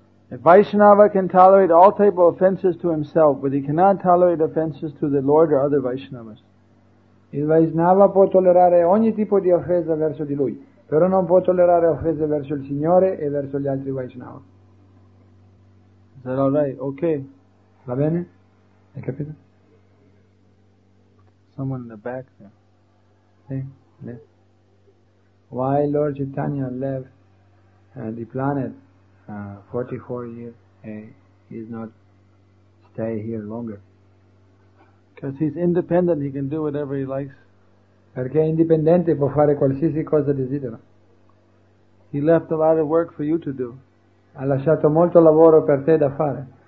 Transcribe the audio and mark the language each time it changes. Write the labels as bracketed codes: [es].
[en] If Vaishnava can tolerate all type of offenses to himself, but he cannot tolerate offenses to the Lord or other Vaishnavas. [it] Il Vaishnava può tollerare ogni tipo di offesa verso di lui, però non può tollerare offese verso il Signore e verso gli altri Vaishnava. [en] Is that all right? Okay. [it] Va bene? Hai capito? [en] Someone in the back there. Hey, left. Why Lord Chaitanya left the planet 44 years and he's not stay here longer? Because he's independent, he can do whatever he likes. [it] Perché è indipendente, può fare qualsiasi cosa desidera. [en] He left a lot of work for you to do. [it] Ha lasciato molto lavoro per te da fare.